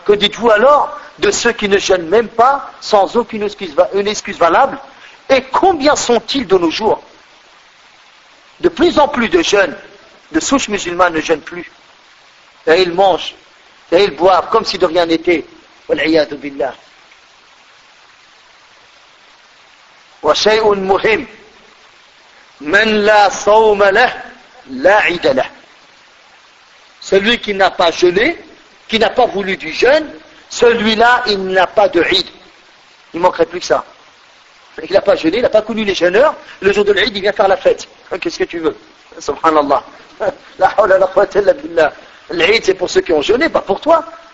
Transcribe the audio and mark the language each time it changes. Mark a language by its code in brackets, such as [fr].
[fr] Que dites-vous alors de ceux qui ne jeûnent même pas sans aucune excuse, une excuse valable? Et combien sont-ils de nos jours? De plus en plus de jeunes, de souches musulmanes ne jeûnent plus. Et ils mangent, et ils boivent comme si de rien n'était. [ar] وَالْعِيَادُ بِاللَّهِ وشيء مهم من لا صوم له لا عيد له. [fr] Celui qui n'a pas jeûné, qui n'a pas voulu du jeûne, celui-là, il n'a pas de عيد. Il manquerait plus que ça. Il n'a pas jeûné, il n'a pas connu les jeûneurs. Le jour de l'عيد, il vient faire la fête. Qu'est-ce que tu veux? Subhanallah. [ar] La hawla la quwwata illa billah. [fr] L'عيد, c'est pour ceux qui ont jeûné, pas pour toi.